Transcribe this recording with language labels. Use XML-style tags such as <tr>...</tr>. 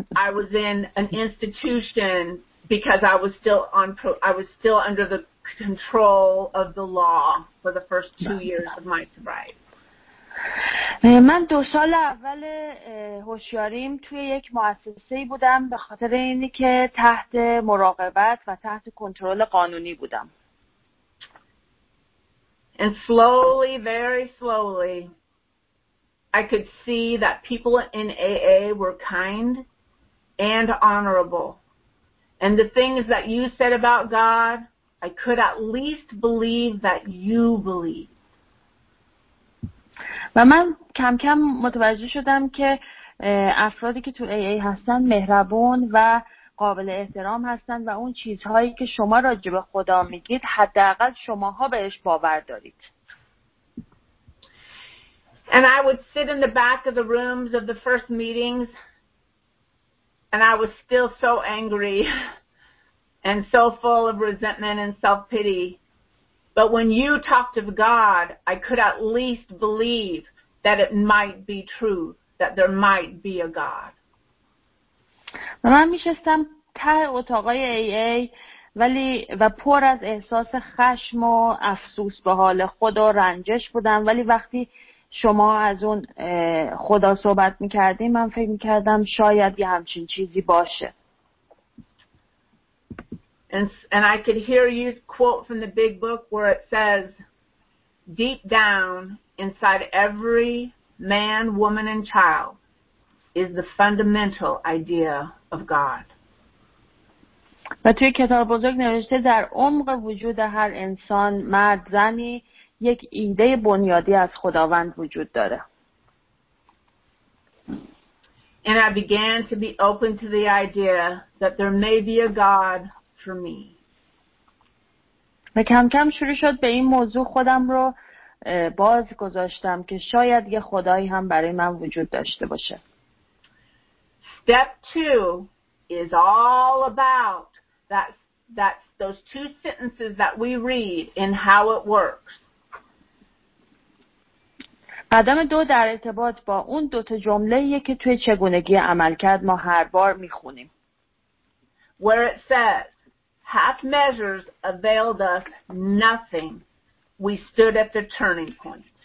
<en>I was in an institution because I was still on. I was still under the control of the law for the first 2 years of my sobriety.</en> <fa>من دو سال اول هوشیاریم توی یک مؤسسه بودم به خاطر اینی که تحت مراقبت و تحت کنترل قانونی بودم.</fa> <en>And slowly, very slowly, I could see that people in AA were kind and honorable. And the things that you said about God, I could at least believe that you believe.</en> <fa>و من کم کم متوجه شدم که افرادی که تو AA هستن مهربون و قابل احترام هستن و اون چیزهایی که شما راجع به خدا میگید حداقل شماها بهش باور دارید.</fa> <en>And I would sit in the back of the rooms of the first meetings and I was still so angry and so full of resentment and self-pity. But when you talked of God, I could at least believe that it might be true, that there might be a God.</en> <fa>من میشستم ته اتاقای AA ولی و پر از احساس خشم و افسوس به حال خدا رنجش بودم ولی وقتی شما از اون خدا صحبت میکردیم من فکر میکردم شاید یه همچین چیزی باشه.</fa> <en>And I could hear you quote from the big book where it says, deep down inside every man, woman, and child is the fundamental idea of God.</en> <fa>و توی کتاب بزرگ نوشته در عمق وجود هر انسان، مرد، زنی، یک ایده بنیادی از خداوند وجود داره.</fa> <en>And I began to be open to the idea that there may be a God for me.</en> <fa>و کم کم شروع شد به این موضوع خودم رو باز گذاشتم که شاید یه خدایی هم برای من وجود داشته باشه.</fa> <en>Step 2 is all about that those two sentences that we read in How It Works.</en> <fa>قدم دو در ارتباط با اون دو تا جمله‌ایه که توی چگونگی عملکرد ما هر بار می‌خونیم.</fa> <en>Where it says half measures availed us nothing. We stood at the turning point.</en>